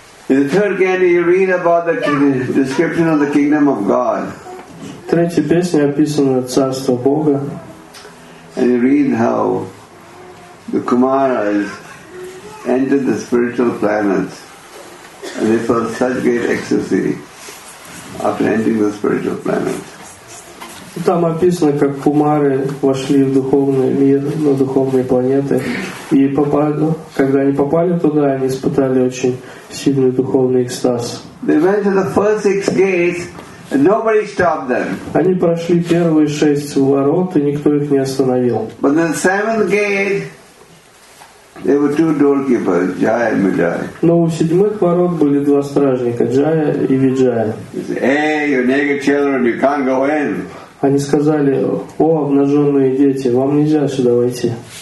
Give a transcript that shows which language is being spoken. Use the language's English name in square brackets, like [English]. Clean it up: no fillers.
[English] In the third canto, you read about the description of the kingdom of God. [Russian] В третьей песне описано царство Бога. [English] And you read how the Kumaras entered the spiritual planets, and they felt such great ecstasy after entering the spiritual planets. [Russian] Там описано, как кумары вошли в духовный мир, на духовные планеты, и попали, когда они попали туда, они испытали очень сильный духовный экстаз. [English] They went to the first six gates, and nobody stopped them. [Russian] Они прошли первые шесть ворот, и никто их не остановил. [English] But then the seventh gate, there were two doorkeepers, Jaya and Vijaya. [Russian] Но у седьмых ворот были два стражника, Джая и Виджая. [English] Hey, you naked children, you can't go in. [Russian] Они сказали: «О, обнаженные дети, вам нельзя сюда войти».